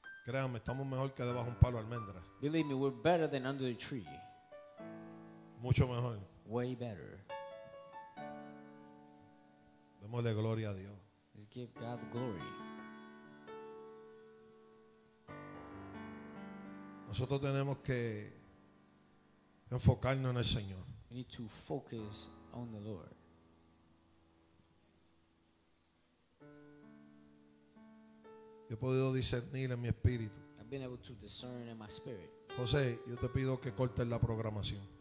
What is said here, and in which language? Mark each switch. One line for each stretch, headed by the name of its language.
Spanish: Créanme, estamos mejor que debajo de un palo de almendra.
English: Believe me, we're better than under the tree.
Spanish: Mucho mejor.
English: Way better.
Spanish: Démosle gloria a Dios.
English: Let's give God the glory.
Spanish: Nosotros tenemos que enfocarnos en el Señor.
English: We need to focus on the Lord.
Spanish: Yo he podido discernir en mi espíritu.
English: I've been able to discern in my spirit.
Spanish: José, yo te pido que cortes la programación.